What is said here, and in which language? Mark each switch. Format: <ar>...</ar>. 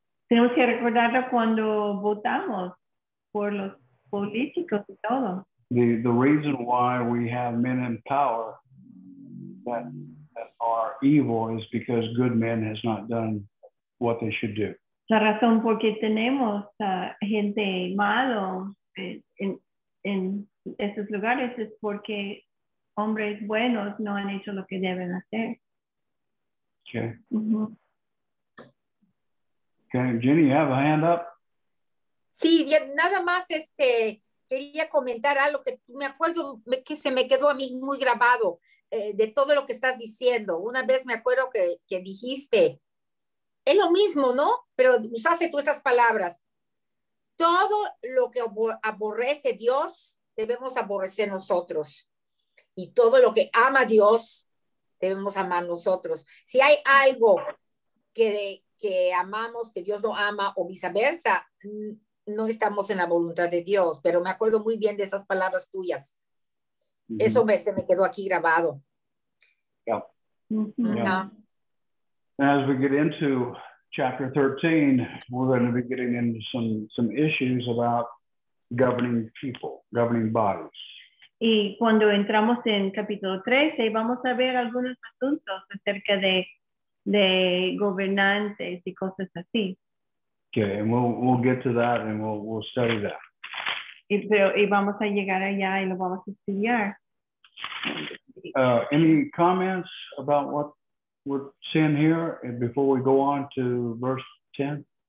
<es>Tenemos que recordarlo cuando votamos por los políticos y todo.</es> <en>The reason why we have men in power that are evil is because good men has not done what they should do.</en> <es>La razón por qué tenemos gente malo en estos lugares es porque hombres buenos no han hecho lo que deben hacer.</es> <en>Okay. Mm-hmm. Okay, Jenny, you have a hand up?</en> <es>Sí, nada más quería comentar algo que me acuerdo que se me quedó a mí muy grabado de todo lo que estás diciendo. Una vez me acuerdo que dijiste, es lo mismo, ¿no? Pero usaste tú estas palabras. Todo lo que aborrece Dios, debemos aborrecer nosotros. Y todo lo que ama Dios, debemos amar nosotros. Si hay algo que amamos, que Dios no ama, o viceversa, no estamos en la voluntad de Dios. Pero me acuerdo muy bien de esas palabras tuyas. Mm-hmm. Eso se me quedó aquí grabado.</es> <en>Yeah. Mm-hmm. Yeah. As we get into chapter 13, we're going to be getting into some issues about governing people, governing bodies.</en> <es>Y cuando entramos en capítulo 13, vamos a ver algunos asuntos acerca de gobernantes y cosas así.</es> <en>Okay, and we'll get to that and we'll study that.</en> <es>Y vamos a llegar allá y lo vamos a estudiar.</es> <en>Any comments about what we're seeing here before we go on to verse 10?</en>